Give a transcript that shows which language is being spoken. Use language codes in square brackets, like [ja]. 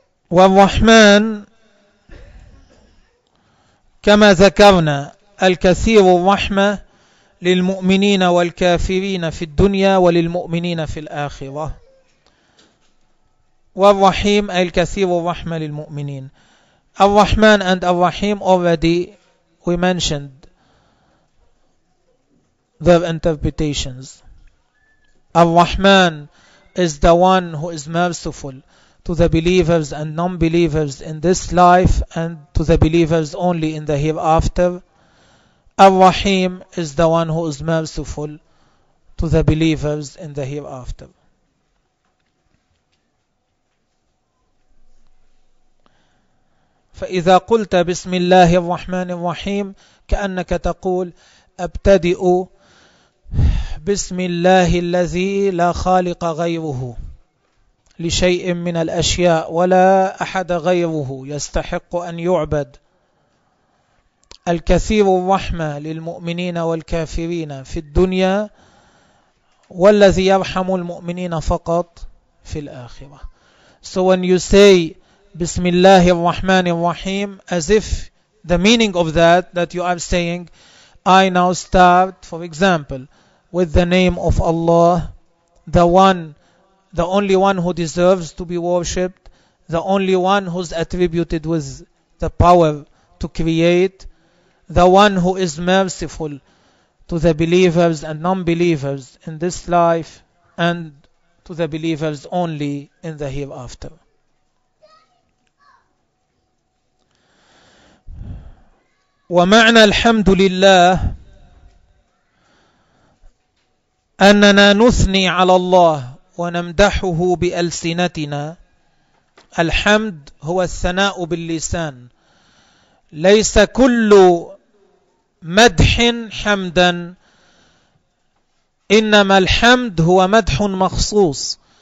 [ar] والرحمن كما ذكرنا الكثير الرحمة للمؤمنين والكافرين في الدنيا وللمؤمنين في الآخرة. والرحيم أي الكثير الرحمة للمؤمنين. [en] الرحمن and الرحيم already we mentioned their interpretations. الرحمن is the one who is merciful to the believers and non-believers in this life and to the believers only in the hereafter. Ar-Rahim is the one who is merciful to the believers in the hereafter. [ar] فإذا قلت بسم الله الرحمن الرحيم كأنك تقول أبتدئ بسم الله الذي لا خالق غيره لشيء من الأشياء ولا أحد غيره يستحق أن يعبد. الكثير الرحمة للمؤمنين والكافرين في الدنيا والذي يرحم المؤمنين فقط في الآخرة. [en] So when you say [ar] بسم الله الرحمن الرحيم, [en] as if the meaning of that you are saying, I now start, for example, with the name of Allah, the one, the only one who deserves to be worshipped, the only one who's attributed with the power to create, the one who is merciful to the believers and non-believers in this life and to the believers only in the hereafter. [ar] ومعنى الحمد لله أننا نثني على الله ونمدحه بألسنتنا. الحمد هو الثناء باللسان. ليس كل مدح حمدا، إنما الحمد هو مدح مخصوص.